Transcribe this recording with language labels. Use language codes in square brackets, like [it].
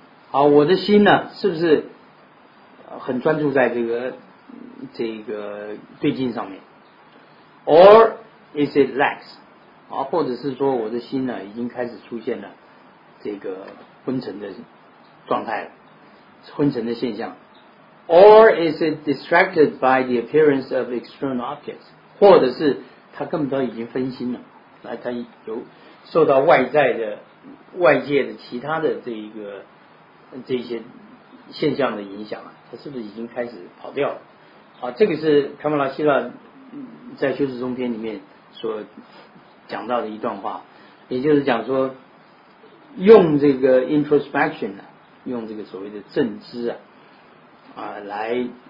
[zh] 好，我的心呢、是不是很专注在这个对境上面？ [en] Or is it lax？ [zh] 啊，或者是说我的心呢已经开始出现了这个昏沉的状态了，昏沉的现象。 [en] Or is it distracted by the appearance of external objects？ [zh] 或者是他根本都已经分心了，来他有受到外界的其他的这些现象的影响了，他是不是已经开始跑掉了？啊，这个是卡马拉希拉。在修持中篇里面所讲到的一段话，也就是讲说用这个 introspection、用这个所谓的正知 来